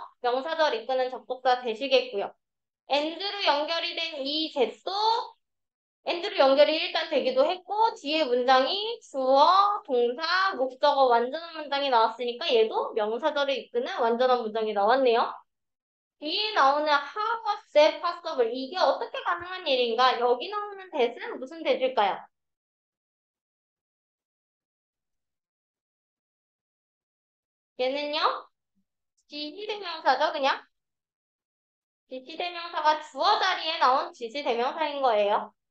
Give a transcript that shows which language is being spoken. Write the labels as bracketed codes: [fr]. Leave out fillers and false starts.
[ko] 명사절 이끄는 접속사 되시겠고요. and로 연결이 된이 대수 and로 연결이 일단 되기도 했고 뒤에 문장이 주어 동사 목적어 완전한 문장이 나왔으니까 얘도 명사절을 이끄는 완전한 문장이 나왔네요. 뒤에 나오는 [en] how was that possible? [ko] 이게 어떻게 가능한 일인가? 여기 나오는 대수는 무슨 대수일까요? 얘는요? 지시대명사죠, 그냥? 지시대명사가 주어 자리에 나온 지시대명사인 거예요.